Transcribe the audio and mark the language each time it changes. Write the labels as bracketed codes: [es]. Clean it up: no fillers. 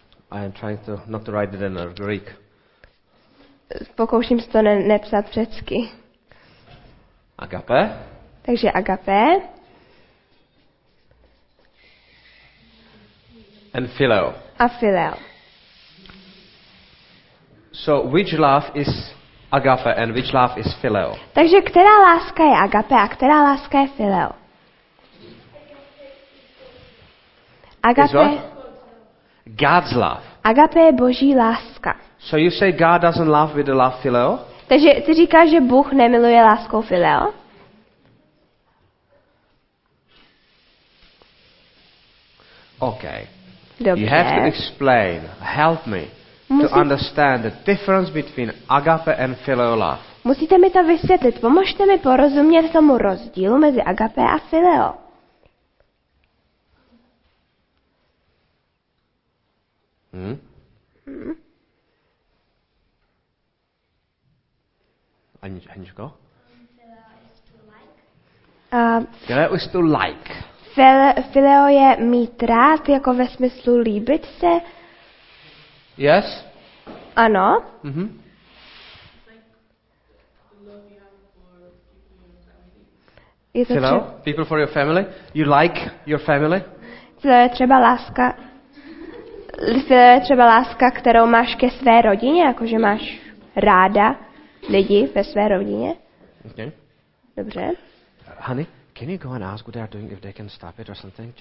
[en] I am trying to not to write it in Greek. [cs] Pokouším se to nepsat řecky. [en] Agape. [cs] Takže agape. [en] And phileo. [cs] A phileo. [en] So which love is agape and which love is phileo? [cs] Takže která láska je agape a která láska je phileo? [en] Agape. God's love. [cs] Agape je Boží láska. [en] So you say God doesn't love with the love phileo? [cs] Takže ty říkáš, že Bůh nemiluje láskou phileo? [en] Okay. [cs] Dobře. [en] You have to explain. Help me to understand the difference between agape and phileo love. [cs] Musíte mi to vysvětlit. Pomozte mi porozumět tomu rozdílu mezi agape a phileo. Aničko? [en] Phileo is to like. [cs] Phileo je mít rád, jako ve smyslu líbit se. [en] Yes? [cs] Ano. Mm-hmm. [en] Phileo? People for your family? You like your family? [cs] Phileo je třeba láska. Třeba láska, kterou máš ke své rodině, jakože máš ráda lidi ve své rodině. [en] Okay. [cs] Dobře. [en] Honey, can you go and ask what they are doing if they can stop it or something?